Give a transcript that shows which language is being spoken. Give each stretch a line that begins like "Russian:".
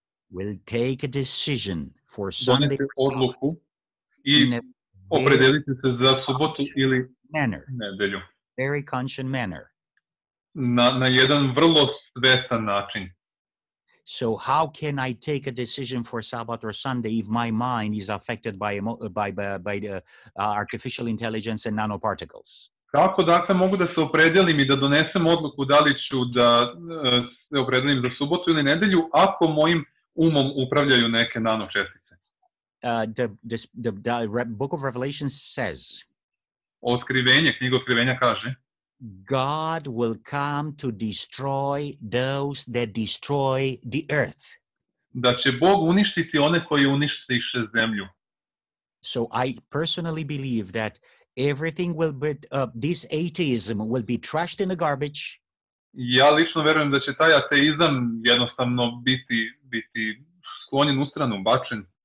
English: will take a decision for Sunday.
Serbian: Odluku i opredeliti se za subotu ili nedjelju.
English: Very conscious manner.
Serbian: Na jedan vrlo svestan način.
English: So how can I take a decision for Sabbath or Sunday if my mind is affected by the artificial intelligence and nanoparticles?
Serbian: Kako dakle mogu da se opredelim i da donesem odluku da li ću da se opredelim za subotu ili nedelju ako mojim umom upravljaju neke nanočestice?
English: The Book of Revelation says.
Serbian: Otkrivenje, knjiga Otkrivenja kaže.
English: God will come to destroy those that destroy the earth.
Serbian: da će Bog uništiti one koji uništiše zemlju.
English: So I personally believe that everything will be, this atheism will be trashed in the garbage.
Serbian: Ja lično verujem da će taj ateizam jednostavno biti sklonjen u stranu, bačen.